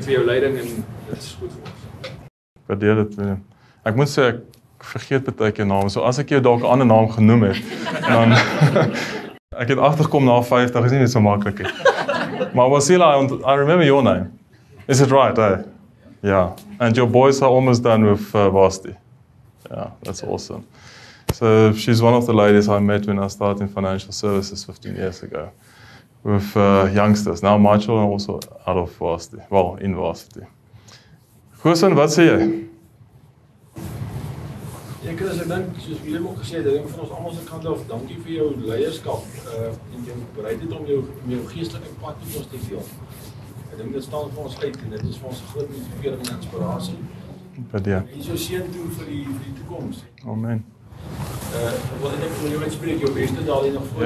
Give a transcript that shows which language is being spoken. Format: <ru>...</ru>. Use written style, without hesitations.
<af>Dankie vir jou leiding en dit is goed vir ons. Ek waardeer dit. Ek moet sê, ek vergeet baie jou naam. So as ek jou dalk 'n ander naam genoem het, dan... Ek het agtergekom na 50, is nie so maklik nie.</af> <en>Maar Wasila, I remember your name. Is it right, eh? Yeah. And your boys are almost done with Vasti. Yeah, that's awesome. So she's one of the ladies I met when I started in financial services 15 years ago. With youngsters. Now my children are also out of Vasti. Well, in Vasti. Goosen,</en> <af>wat sê jy? Ja, Chris, ek dink, soos wie hem ook gesê, ek dink van ons allemaal sy kant af, dankie vir jou leierskap, en jou bereidheid om jou geestelike pad met ons te deel. Ek dink, dit staan vir ons uit, en dit is vir ons een groot motivering en inspiratie. Bedien. En so seën toe vir die toekomst. Amen. Wat ek van jou uitspreek, jou beste daal hier nog voor.</af>